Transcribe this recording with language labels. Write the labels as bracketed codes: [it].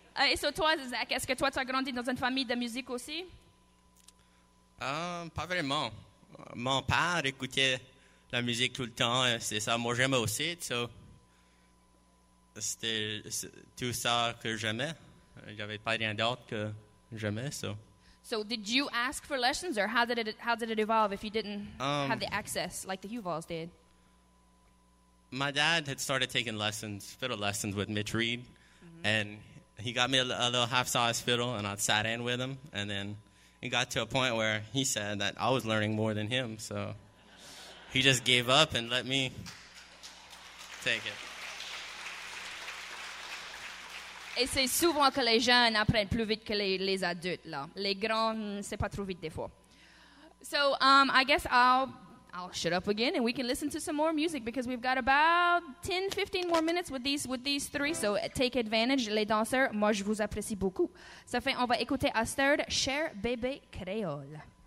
[fr] Et sur toi, Zach, est-ce que toi, tu as grandi dans une famille de musique aussi? Pas vraiment. Mon père écoutait la musique tout le temps, et c'est ça. Moi, j'aime aussi, so. C'était tout ça que j'aimais. Il n'y avait pas rien d'autre que j'aimais, ça. [en] So, did you ask for lessons, or how did it evolve if you didn't have the access like the Huvals did? My dad had started taking lessons, fiddle lessons with Mitch Reed, and he got me a little half-size fiddle, and I'd sat in with him, and then it got to a point where he said that I was learning more than him, so he just gave up and let me take it. [fr] Et c'est souvent que les jeunes apprennent plus vite que les adultes, là. Les grands, c'est pas trop vite des fois. [en] So, I guess I'll shut up again and we can listen to some more music because we've got about 10, 15 more minutes with these three. So, take advantage, [fr] les danseurs. Moi, je vous apprécie beaucoup. Ça fait, on va écouter Astrid, Cher Bébé Créole.